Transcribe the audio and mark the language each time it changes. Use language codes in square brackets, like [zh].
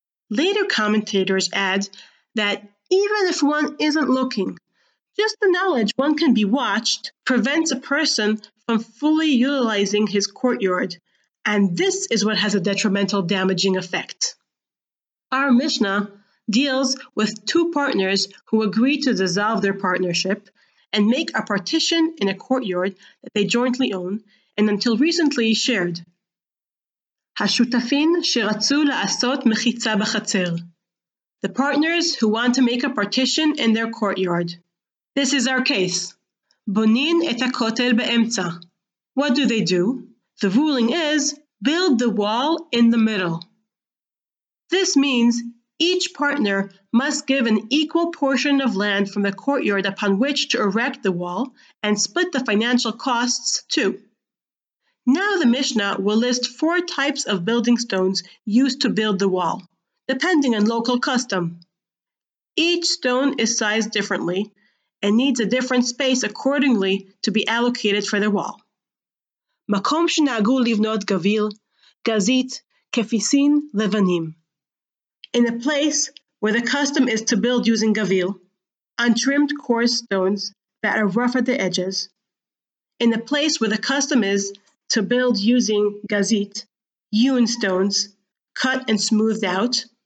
[en] Later commentators add that even if one isn't looking, just the knowledge one can be watched prevents a person from fully utilizing his courtyard, and this is what has a detrimental damaging effect. Our Mishnah deals with 2 partners who agree to dissolve their partnership and make a partition in a courtyard that they jointly own and until recently shared. [he] השותפים שרצו לעשות מחיצה בחצר. [en] The partners who want to make a partition in their courtyard. This is our case. [he] בונים את הכותל באמצע. [en] What do they do? The ruling is, build the wall in the middle. This means each partner must give an equal portion of land from the courtyard upon which to erect the wall and split the financial costs too. Now the Mishnah will list four types of building stones used to build the wall, depending on local custom. Each stone is sized differently and needs a different space accordingly to be allocated for the wall. [he] מקום שנהגו לבנות גביל, גזית, כפיסין, לבנים. [en] In a place where the custom is to build using gavil, untrimmed coarse stones that are rough at the edges. In a place where the custom is to build using gazit, hewn stones, cut and smoothed out.